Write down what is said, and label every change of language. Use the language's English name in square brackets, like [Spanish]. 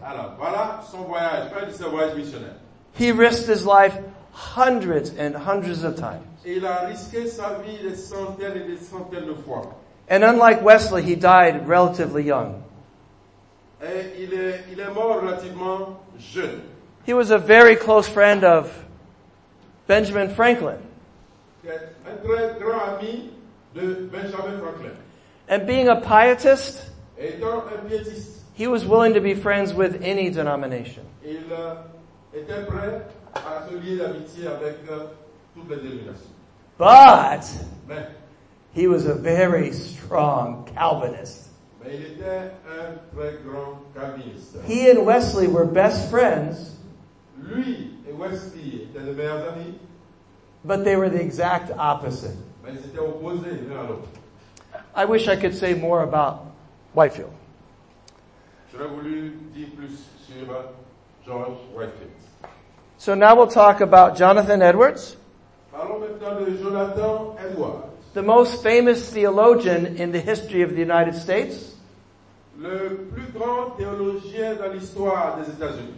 [French] Alors, voilà son voyage, pas de ses voyages missionnaires. [English] He risked his life hundreds and hundreds of times. [French] Il a risqué sa vie des centaines et des centaines de fois. [English] And unlike Wesley, he died relatively young. [French] Et il est mort relativement jeune. [English] He was a very close friend of Benjamin Franklin. [French] Un très grand ami de Benjamin Franklin. [English] And being a pietist, [French] étant un pietiste, [English] he was willing to be friends with any denomination. [French] Il était prêt à se lier d'amitié avec toutes les dénominations. [English] But [French] mais, [English] he was a very strong Calvinist. [French] Mais il était un très grand Calviniste. [English] He and Wesley were best friends. [French] Lui et Wesley étaient les meilleurs amis. [English] But they were the exact opposite. [French] Mais ils étaient opposés l'un à l'autre. [English] I wish I could say more about Whitefield. [French] J'aurais voulu dire plus sur George Whitefield. [English] So now we'll talk about Jonathan Edwards. [French] Parlons maintenant de Jonathan Edwards. [English] The most famous theologian in the history of the United States. [French] Le plus grand théologien dans l'histoire des États-Unis.